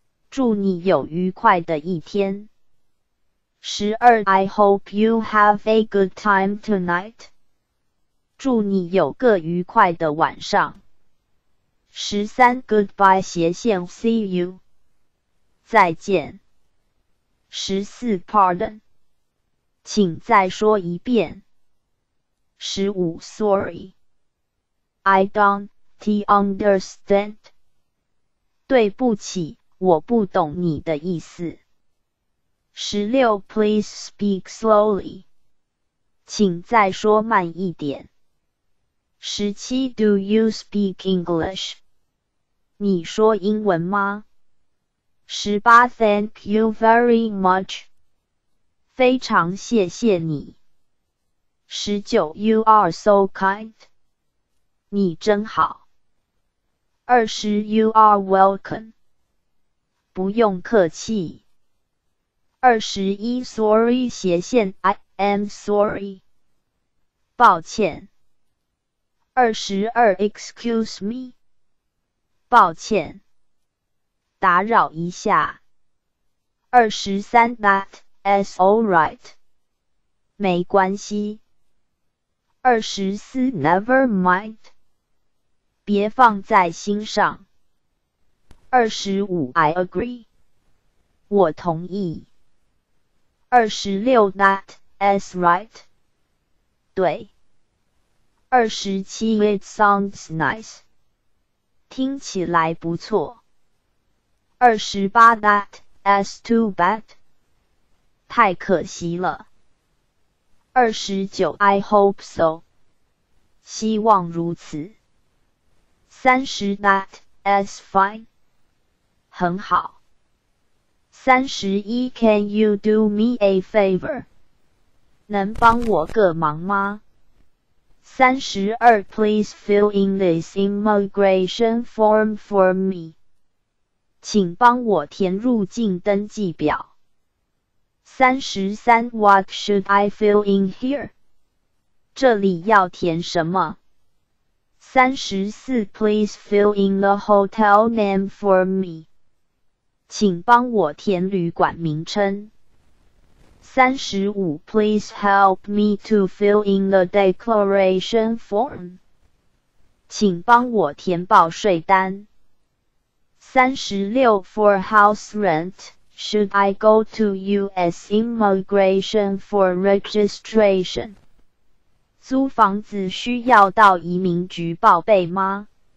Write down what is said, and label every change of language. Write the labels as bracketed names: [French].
[Chinese] 祝你有愉快的一天。十二 [English] ，I hope you have a good time tonight。 [Chinese] 祝你有个愉快的晚上。 [English] 十三 ，Goodbye 斜线 ，See you， [Chinese] 再见。十四 ， [English] Pardon， [Chinese] 请再说一遍。十五 ， [English] Sorry，I don't understand， [Chinese] 对不起，我不懂你的意思。十六 ， [English] Please speak slowly， [Chinese] 请再说慢一点。 [English] 十七 ，Do you speak English？ [Chinese] 你说英文吗？十八 ， [English] Thank you very much， [Chinese] 非常谢谢你。十九 ， [English] You are so kind， [Chinese] 你真好。二十 ， [English] You are welcome， [Chinese] 不用客气。二十一 ，Sorry 斜线 ， [English] I am sorry， [Chinese] 抱歉。二十二 ， [English] Excuse me， [Chinese] 抱歉，打扰一下。二十三 ， [English] That's all right， [Chinese] 没关系。二十四 ， [English] Never mind， [Chinese] 别放在心上。二十五 ， [English] I agree， [Chinese] 我同意。二十六 ， [English] That's right， [Chinese] 对。二十七 ， [English] It sounds nice， [Chinese] 听起来不错。二十八 ， [English] That's too bad， [Chinese] 太可惜了。二十九 ， [English] I hope so， [Chinese] 希望如此。三十 ， [English] That's fine， [Chinese] 很好。 [English] 三十一 ，Can you do me a favor？ [Chinese] 能帮我个忙吗？三十二 [English] ，Please fill in this immigration form for me。 [Chinese] 请帮我填入境登记表。 [English] 三十三 ，What should I fill in here？ [Chinese] 这里要填什么？三十四 [English] ，Please fill in the hotel name for me。 [Chinese] 请帮我填旅馆名称。三十五 [English] ，Please help me to fill in the declaration form。 [Chinese] 请帮我填报税单。三十六 ， [English] For house rent, Should I go to U.S. Immigration for registration? [Chinese] 租房子需要到移民局报备吗？